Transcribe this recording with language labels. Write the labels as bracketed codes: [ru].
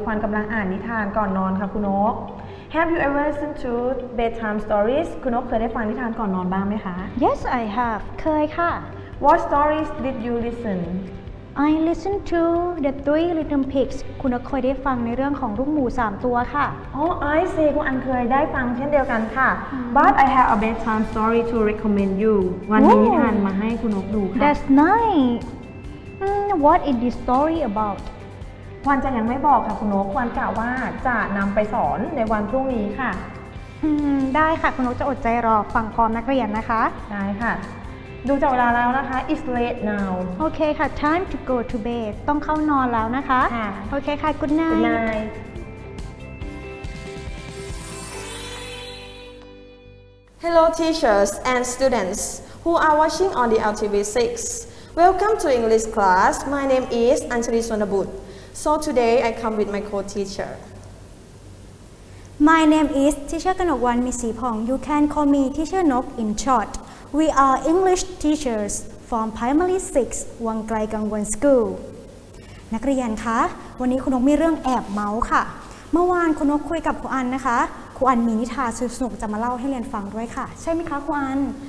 [th] ควานกำลังอ่านนิทานก่อนนอนค่ะคุณนก [en] Have you ever listened to bedtime stories? [th] คุณนกเคยได้ฟังนิทานก่อนนอนบ้างไหมคะ [en] Yes, I have. [th] เคยค่ะ [en] What stories did you listen? I listened to the Three Little Pigs. [th] คุณเคยได้ฟังในเรื่องของลูกหมู3ตัวค่ะ [en] Oh, I see. [th] คุณอันเคยได้ฟังเช่นเดียวกันค่ะ mm-hmm. [en] But I have a bedtime story to recommend you. [th] วันนี้นิทานมาให้คุณนกดูค่ะ [en] That's nice. What is this story about? [th] ควันจะยังไม่บอกค่ะคุณนกควันกะว่าจะนำไปสอนในวันพรุ่งนี้ค่ะ ได้ค่ะคุณนกจะอดใจรอฟังพร้อมนักเรียนนะคะ ได้ค่ะดูจากเวลาแล้วนะคะ [en] It's late now [th] โอเคค่ะ [en] Time to go to bed [th] ต้องเข้านอนแล้วนะคะ ค่ะ โอเคค่ะ [en] Good night Good night Hello teachers and students who are watching on the LTV6 Welcome to English class My name is Anjali Sonabut So today I come with my co-teacher My name is Teacher Kanok Wan Misipong You can call me Teacher Nok in short We are English teachers from Primary 6 [th] วังไกลกังวลสคูลนักเรียนคะวันนี้คุณนกมีเรื่องแอบเมาค่ะเมื่อวานคุณนกคุยกับครูอันนะคะครูอันมีนิทานสนุกๆจะมาเล่าให้เรียนฟังด้วยค่ะใช่ไหมคะครูอัน